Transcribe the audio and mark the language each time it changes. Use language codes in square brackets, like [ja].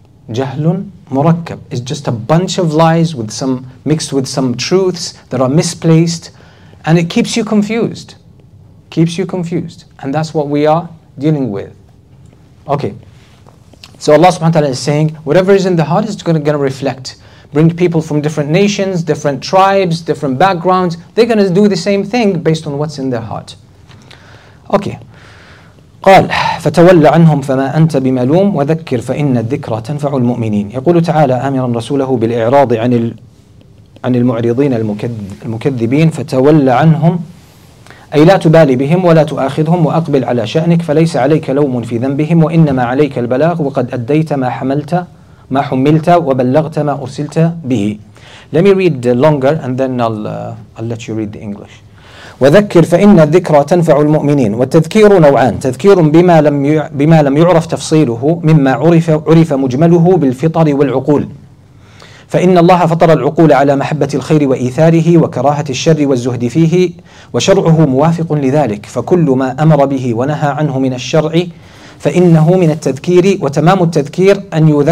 [en] Jahlun murakkab is just a bunch of lies with some mixed with some truths that are misplaced, and it keeps you confused. Keeps you confused. And that's what we are dealing with. Okay. So Allah subhanahu wa ta'ala is saying, whatever is in the heart is going to reflect. Bring people from different nations, different tribes, different backgrounds. They're going to do the same thing based on what's in their heart. Okay. [ar] قال فتولى عنهم فما أنت بملوم وذكر فإن الذكرى تنفع المؤمنين. يقول تعالى آمرا رسوله بالإعراض عن المعرضين المكذبين فتولى عنهم أي لا تبالي بهم ولا تؤاخذهم وأقبل على شأنك فليس عليك لوم في ذنبهم وإنما عليك البلاغ وقد أديت ما حملت وبلغت ما أرسلت به. [en] Let me read longer and then I'll let you read the English. [ar] وذكر فإن الذكرى تنفع المؤمنين والتذكير نوعان تذكير بما لم يعرف تفصيله مما عرف مجمله بالفطر والعقول فإن الله فطر العقول على محبة الخير وإيثاره وكراهة الشر والزهد فيه وشرعه موافق لذلك فكل ما أمر به ونهى عنه من الشرع فإنه من التذكير وتمام التذكير أن